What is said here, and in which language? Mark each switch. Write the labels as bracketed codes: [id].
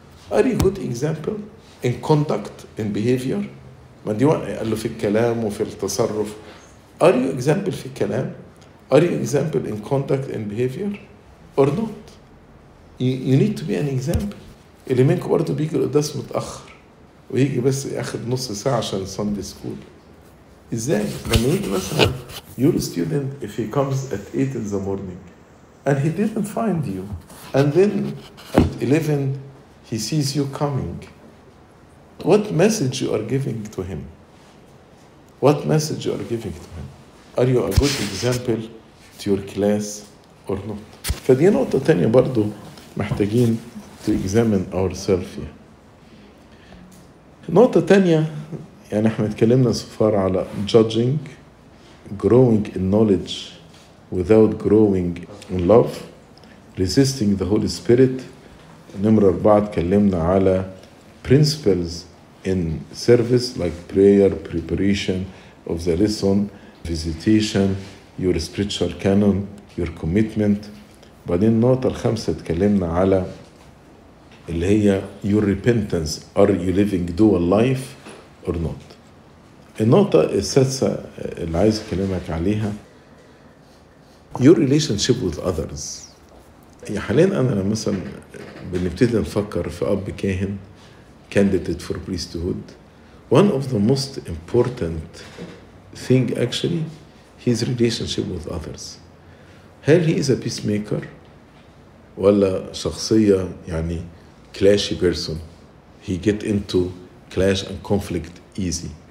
[en] Are you good example in conduct, in behavior? But do you want to say [ar] في الكلام وفي التصرف? [en] Are you example [ar] في الكلام? [en] Are you example in conduct and behavior? Or not? You need to be an example. [ar] اللي منك برضو بيجي القداس متأخر ويجي بس ياخد نص ساعة عشان Sunday school. إزاي؟ لما يجي مثلا [en] your student if he comes at 8 in the morning and he didn't find you and then at 11 he sees you coming what message you are giving to him? What message you are giving to him? Are you a good example to your class or not? [ar] فدي نقطة تانية برضو محتاجين [en] to examine ourselves [ar] نقطة تانية يعني احنا اتكلمنا سفار على [en] judging growing in knowledge without growing in love resisting the Holy Spirit [ar] نمرة 4 اتكلمنا على principles [en] in service, like prayer, preparation of the lesson, visitation, your spiritual canon, your commitment. [ar] بعدين النقطة الخامسة تكلمنا على اللي هي [en] your repentance. Are you living dual life or not? [ar] النقطة السادسة اللي عايز أكلمك عليها [en] your relationship with others. [ar] حاليا أنا مثلا بنبتدي نفكر في أب كاهن [en] candidate for priesthood. One of the most important thing actually his relationship with others. [ar] هل [en] he is a peacemaker [ar] ولا شخصية يعني [en] clashy person, he get into clash and conflict easy.